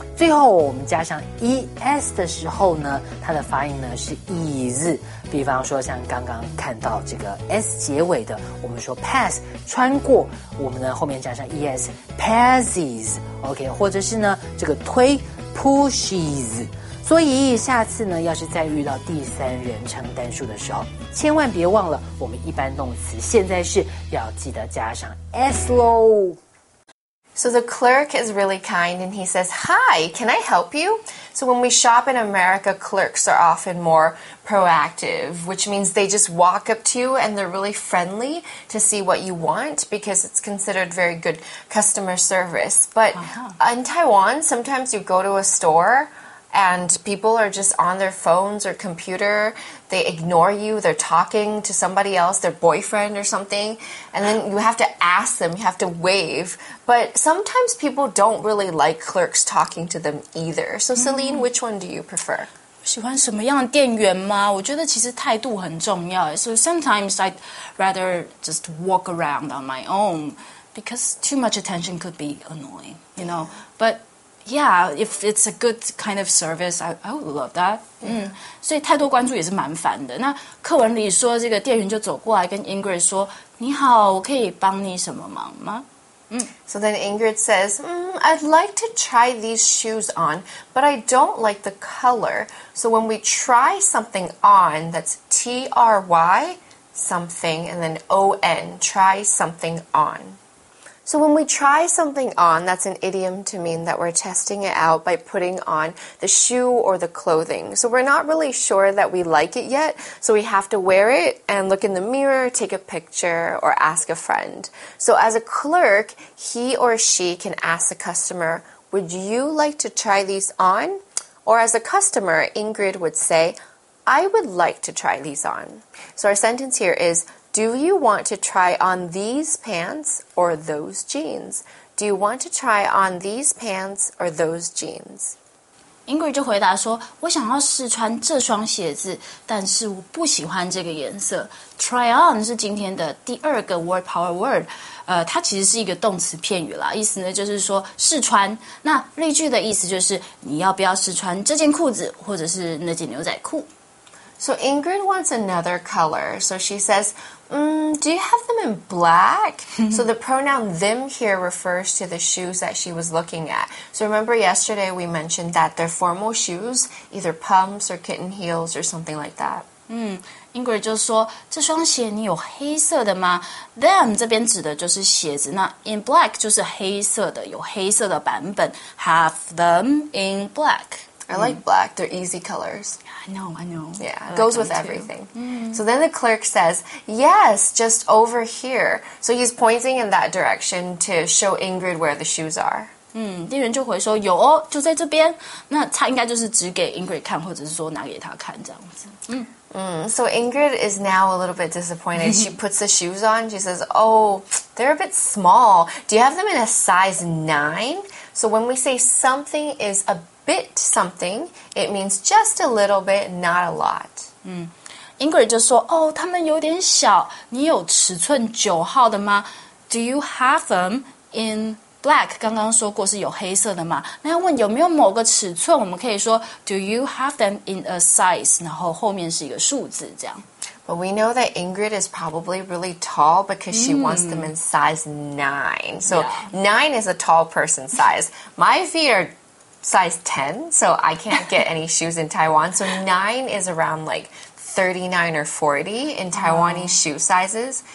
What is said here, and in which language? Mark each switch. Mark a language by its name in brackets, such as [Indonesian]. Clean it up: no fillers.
[Chinese] 最后我们加上 es 的时候呢，它的发音呢是 is， 比方说像刚刚看到这个 s 结尾的，我们说 pass 穿过，我们呢后面加上 es passes， OK， 或者是呢这个推 pushes。所以下次呢要是再遇到第三人称单数的时候，千万别忘了我们一般动词现在是要记得加上 s 咯。 [English] So the clerk is really kind and he says, Hi, can I help you? So when we shop in America, clerks are often more proactive, which means they just walk up to you and they're really friendly to see what you want because it's considered very good customer service. But uh-huh. in Taiwan, sometimes you go to a store and people are just on their phones or computer. They ignore you. They're talking to somebody else, their boyfriend or something. And then you have to ask them. You have to wave. But sometimes people don't really like clerks talking to them either. So, Celine, which one do you prefer? [Chinese] 喜欢什么样的店员吗？我觉得其实态度很重要。 [English] So sometimes I'd rather just walk around on my own because too much attention could be annoying, you know. But... Yeah, if it's a good kind of service, I would love that. Yeah. [Chinese] 所以太多关注也是蛮烦的。那课文里说，这个店员就走过来跟 Ingrid 说，你好，我可以帮你什么忙吗？ [English] So then Ingrid says, I'd like to try these shoes on, but I don't like the color. So when we try something on, that's T-R-Y something and then O-N, try something on. So when we try something on, that's an idiom to mean that we're testing it out by putting on the shoe or the clothing. So we're not really sure that we like it yet, so we have to wear it and look in the mirror, take a picture, or ask a friend. So as a clerk, he or she can ask the customer, would you like to try these on? Or as a customer, Ingrid would say, I would like to try these on. So our sentence here is,Do you want to try on these pants or those jeans? Do you want to try on these pants or those jeans? [Chinese] Ingrid 就回答说，我想要试穿这双鞋子，但是我不喜欢这个颜色。 Try on 是今天的第二个 word power word，它其实是一个动词片语啦，意思呢就是说试穿。那例句的意思就是，你要不要试穿这件裤子，或者是那件牛仔裤？ [English] So Ingrid wants another color. So she says, do you have them in black? So the pronoun them here refers to the shoes that she was looking at. So remember yesterday we mentioned that they're formal shoes, either pumps or kitten heels or something like that. [Chinese] Ingrid 就说这双鞋你有黑色的吗 Them 这边指的就是鞋子那 in black 就是黑色的有黑色的版本 [English] Have them in black. I like black. They're easy colors. I know. Yeah, it goes with everything. So then the clerk says, yes, just over here. So he's pointing in that direction to show Ingrid where the shoes are. [Chinese] 店员就回说有哦，就在这边。那他应该就是指给 Ingrid 看，或者是说拿给他看这样子。 [English] So Ingrid is now a little bit disappointed. She puts the shoes on. She says, oh, they're a bit small. Do you have them in a size 9? So when we say something is a bit something, it means just a little bit, not a lot. [Chinese] Ingrid 就说哦，他们有点小，你有尺寸九号的吗？ [English] Do you have them in black? [Chinese] 刚刚说过是有黑色的嘛？那要问有没有某个尺寸，我们可以说 [English] Do you have them in a size? [Chinese] 然后后面是一个数字这样。 [English] But we know that Ingrid is probably really tall because she wants them in size 9. So 9 is a tall person size. My feet are size 10, so I can't get any shoes in Taiwan. So 9 is around like 39 or 40 in Taiwanese shoe sizes.